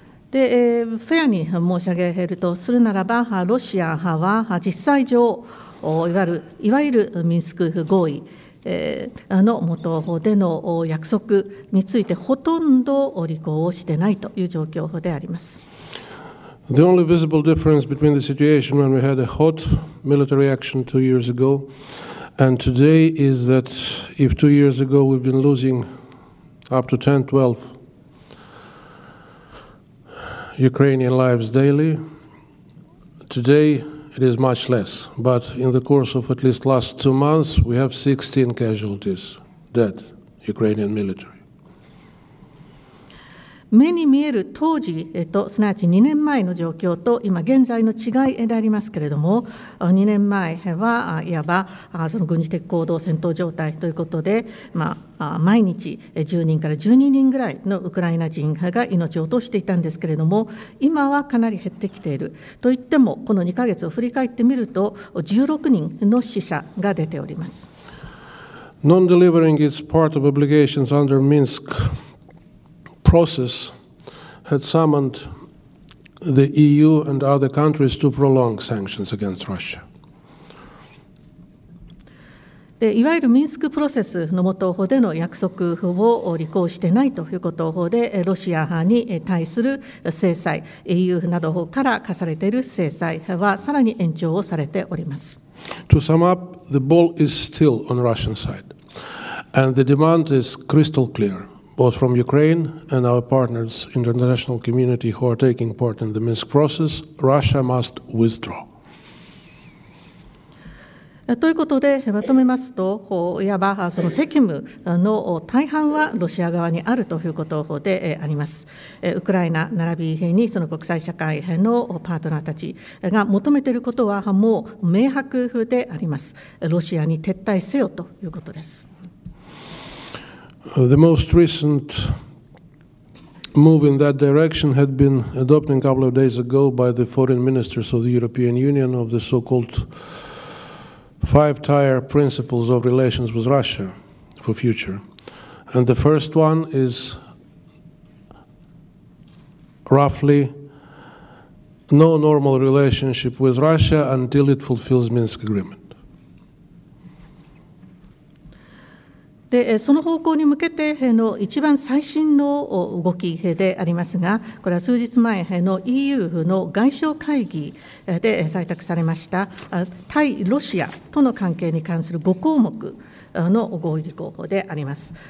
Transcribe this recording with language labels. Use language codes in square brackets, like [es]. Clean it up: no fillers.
[ja] で、フェアに申し上げるとするならば、ロシア派は実際上、いわゆるミンスク合意の元での約束についてほとんど履行をしてないという状況であります。 [en] The only visible difference between the situation when we had a hot military action 2 years ago and today is that if 2 years ago we've been losing up to 10-12 Ukrainian lives daily, today it is much less, but in the course of at least last 2 months, we have 16 casualties, dead Ukrainian military. [ja] 目に見える当時と、すなわち2年前の状況と今現在の違いでありますけれども、2年前はいわばその軍事的行動戦闘状態ということで、毎日10人から12人ぐらいのウクライナ人が命を落としていたんですけれども、今はかなり減ってきているといっても、この2ヶ月を振り返ってみると16人の死者が出ております。 [en] Non-delivering its part of obligations under Minsk process had summoned the EU and other countries to prolong sanctions against Russia. [ja] でいわゆるミンスクプロセスの下での約束を履行していないということで、ロシア派に対する制裁、EU などから課されている制裁はさらに延長をされております。 [en] To sum up, the ball is still on Russian side, and the demand is crystal clear, both from Ukraine and our partners in the international community who are taking part in the Minsk process. Russia must withdraw. [ja] ということでまとめますと、いわばその責務の大半はロシア側にあるということであります。ウクライナ並びにその国際社会のパートナーたちが求めていることはもう明白であります。ロシアに撤退せよということです。 [en] The most recent move in that direction had been adopted a couple of days ago by the foreign ministers of the European Union of the so-called five-tier principles of relations with Russia for future. And the first one is roughly no normal relationship with Russia until it fulfills Minsk Agreement. [ja] でその方向に向けての一番最新の動きでありますが、これは数日前の EU の外相会議で採択されました対ロシアとの関係に関する5項目の合意事項であります。